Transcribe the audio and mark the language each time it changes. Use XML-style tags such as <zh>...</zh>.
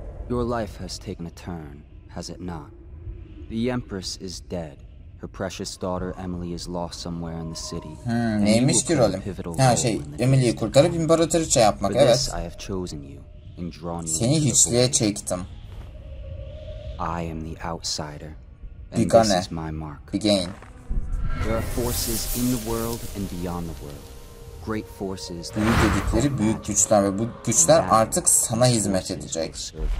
<en>Your life has taken a turn, has it not? The Empress is dead. Her precious daughter Emily is lost somewhere in the city.</en> <tr>Hmm, neymiş ki rolüm? Ha şey, Emily'yi kurtarıp imparatoriçe yapmak,</tr> <en>for</en> <tr>evet.</tr> <en>I have chosen you and drawn you.</en> <tr>Seni hiçliğe çektim.</tr> <en>I am the outsider. And Bigane. This is my mark. Bigane. There are forces in the world and beyond the world. Great forces.</en> <tr>Büyük dedikleri büyük güçler ve bu güçler artık sana hizmet edecek.</tr>